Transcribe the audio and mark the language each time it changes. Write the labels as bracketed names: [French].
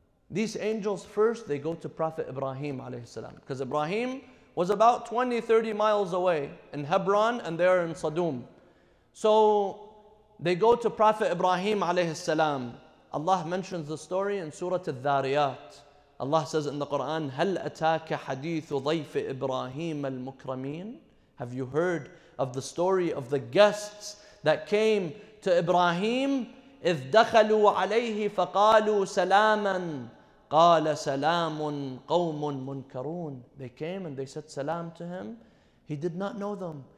[English] These angels, first, they go to Prophet Ibrahim alayhi salam. Because Ibrahim was about 20, 30 miles away in Hebron, and they're in Sadum. So they go to Prophet Ibrahim alayhi salam. Allah mentions the story in Surah Al-Dhariyat. Allah says in the Quran, [Arabic] هَلْ أَتَاكَ حَدِيثُ ضَيْفِ إِبْرَاهِيمَ الْمُكْرَمِينَ. [English] Have you heard of the story of the guests that came to Ibrahim? [Arabic] إِذْ دَخَلُوا عَلَيْهِ فَقَالُوا سَلَامًا قَالَ سَلَامٌ قَوْمٌ مُنْكَرُونَ. [English] They came and they said salam to him. He did not know them.